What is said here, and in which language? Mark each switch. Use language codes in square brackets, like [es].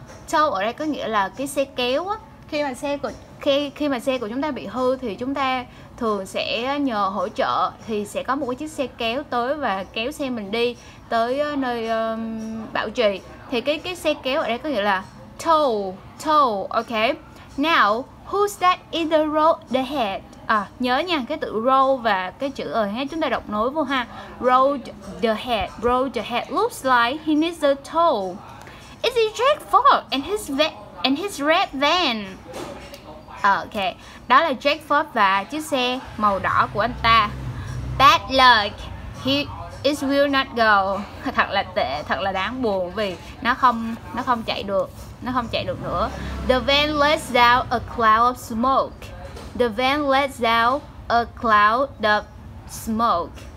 [vi] Tow ở đây có nghĩa là cái xe kéo á. Khi mà xe của chúng ta bị hư thì chúng ta thường sẽ nhờ hỗ trợ, thì sẽ có một cái chiếc xe kéo tới và kéo xe mình đi tới nơi bảo trì. Thì cái xe kéo ở đây có nghĩa là tow. Ok. [en] Now, who's that in the road ahead? [vi] Nhớ nha, cái từ road và cái chữ ahead chúng ta đọc nối vô ha. [en] Road ahead looks like he needs a tow. Is it Jack Ford and his red van? [vi] Okay, đó là Jack Ford và chiếc xe màu đỏ của anh ta. [en] Bad luck, it will not go. [vi] Thật là tệ, thật là đáng buồn vì nó không chạy được nữa. [en] The van lets out a cloud of smoke. The van lets out a cloud of smoke.